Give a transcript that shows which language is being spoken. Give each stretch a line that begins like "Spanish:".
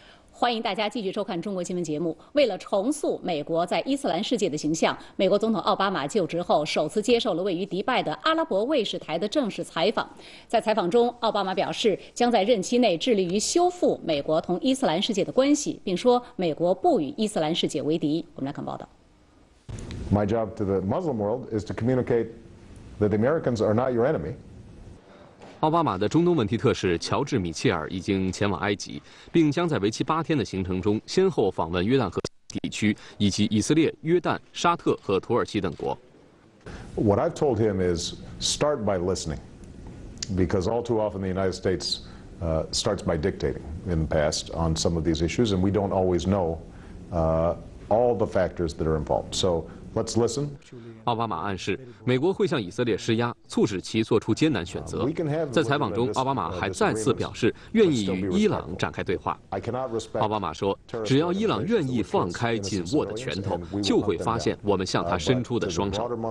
Chinese: 欢迎大家继续收看中国新闻节目。为了重塑美国在伊斯兰世界的形象，美国总统奥巴马就职后首次接受了位于迪拜的阿拉伯卫视台的正式采访。在采访中，奥巴马表示将在任期内致力于修复美国同伊斯兰世界的关系，并说美国不与伊斯兰世界为敌。我们来看报道。
English: My job to the Muslim world is to communicate that the Americans are not your enemy。
Chinese: 奥巴马的中东问题特使乔治·米切尔已经前往埃及，并将在为期8天的行程中先后访问约旦河地区以及以色列、约旦、沙特和土耳其等国。
English: What I've told him is start by listening, because all too often the United States starts by dictating in the past on some of these issues, and we don't always know all the factors that are involved. So let's listen.
Chinese: 奥巴马暗示美国会向以色列施压，促使其做出艰难选择。在采访中，奥巴马还再次表示愿意与伊朗展开对话。奥巴马说，只要伊朗愿意放开紧握的拳头，就会发现我们向他伸出的双手。